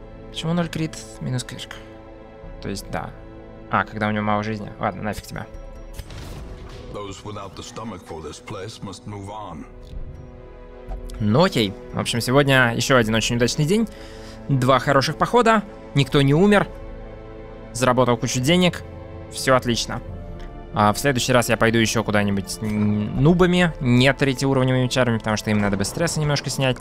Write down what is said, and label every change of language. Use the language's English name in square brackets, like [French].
[Russian] Почему 0 крит, минус крышка? То есть, да. А, когда у него мало жизни. Ладно, нафиг тебя. [English] Those without the stomach for this place must move on. [Russian] Ну окей. В общем, сегодня еще один очень удачный день. Два хороших похода. Никто не умер. Заработал кучу денег. Все отлично. А в следующий раз я пойду еще куда-нибудь нубами. Не третьеуровневыми чарами, потому что им надо бы стресса немножко снять.